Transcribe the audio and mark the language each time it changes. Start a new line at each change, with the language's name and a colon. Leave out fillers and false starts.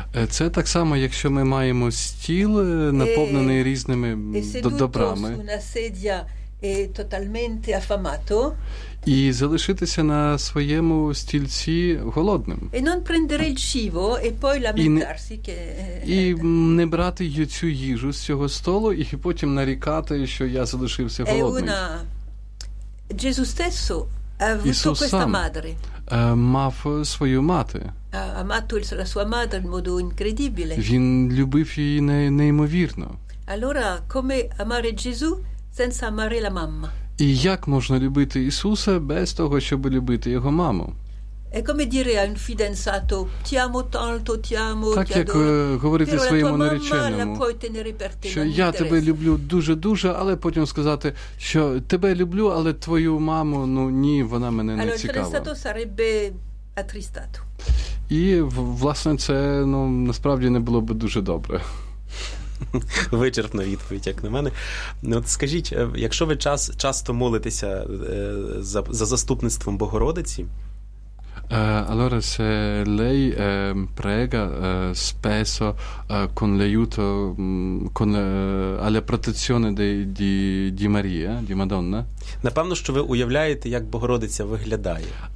Ukrainian: Це так само, якщо ми маємо стіл, наповнений різними добрами.
Italian: E seduto su una sedia e totalmente affamato.
Ukrainian: І залишитися на своєму стільці голодним.
Italian: E non prendere il cibo e poi lamentarsi che
Ukrainian: і не брати цю їжу з цього столу і потім нарікати, що я залишився голодним.
Italian: Gesù stesso ha avuto questa madre.
Ukrainian: Мав свою мати.
Italian: Ha amato la sua madre in modo incredibile.
Ukrainian: Він любив її неймовірно.
Italian: Allora, come amare Gesù senza amare la mamma?
Ukrainian: І як можна любити Ісуса без того, щоб любити його маму?
Italian: È come dire a un fidanzato ti amo tanto, ti amo,
Ukrainian: так,
Italian: ti adoro.
Ukrainian: Так, говорити своєму нареченому,
Italian: la puoi tenere per te,
Ukrainian: що я interesse. Тебе люблю дуже-дуже, але потім сказати, що тебе люблю, але твою маму, ну ні, вона мене
Italian: allora,
Ukrainian: не цікава.
Italian: Allora, il fidanzato sarebbe attristato.
Ukrainian: І, власне, це, ну, насправді не було б дуже добре. Вичерпна відповідь, як на мене. Ну, от скажіть, якщо ви часто молитеся за заступництвом Богородиці,
Italian: Allora, se lei prega spesso con l'aiuto, con alla protezione di Maria, di Madonna.
Ukrainian: Напевно, що ви уявляєте, як Богородиця виглядає.